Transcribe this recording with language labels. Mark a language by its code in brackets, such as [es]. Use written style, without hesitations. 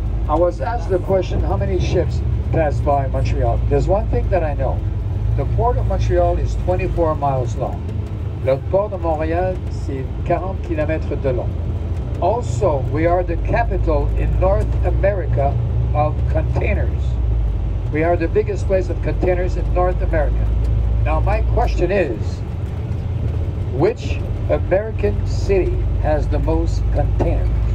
[en] I was asked the question, how many ships pass by Montreal? There's one thing that I know. The port of Montreal is 24 miles long. [fr] Le port de Montréal, c'est 40 kilometers de long. [en] Also, we are the capital in North America of containers. We are the biggest place of containers in North America. Now, my question is, which American city has the most containers?